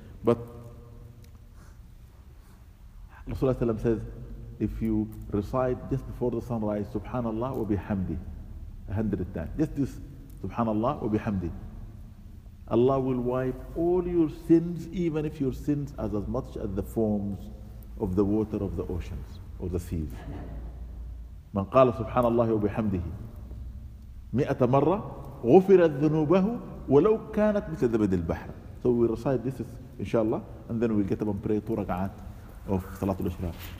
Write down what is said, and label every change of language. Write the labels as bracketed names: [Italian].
[English] But Rasulullah ﷺ says, if you recite just before the sunrise, Subhanallah wa bihamdi, 100 times. Just this, Subhanallah wa bihamdi. Allah will wipe all your sins, even if your sins are as much as the foams of the water of the oceans or the seas. [Arabic] من قال سبحان الله وبحمده 100 مرة غفرت ذنوبه ولو كانت مثل ذبد البحر. [English] So we recite this, is, inshallah, and then we'll get up and pray 2 raka'at of Salatul Ishraq.